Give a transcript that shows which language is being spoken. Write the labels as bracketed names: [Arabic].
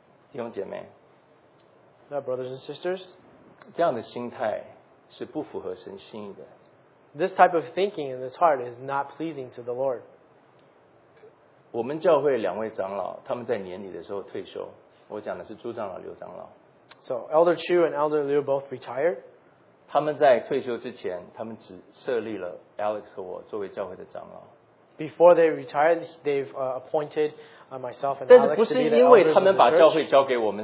[Chinese] 弟兄姐妹。 [English] Brothers and sisters. [Chinese] 这样的心态是不符合神心意的。 [English] This type of thinking in this heart is not pleasing to the Lord. [Chinese] 我们教会两位长老，他们在年底的时候退休。我讲的是朱长老、刘长老。 [English] So Elder Chu and Elder Liu both retired. [Chinese] 他们在退休之前，他们只设立了 Alex 和我作为教会的长老。 [English] Before they retired, they've appointed myself and Alex to be the elders of the church.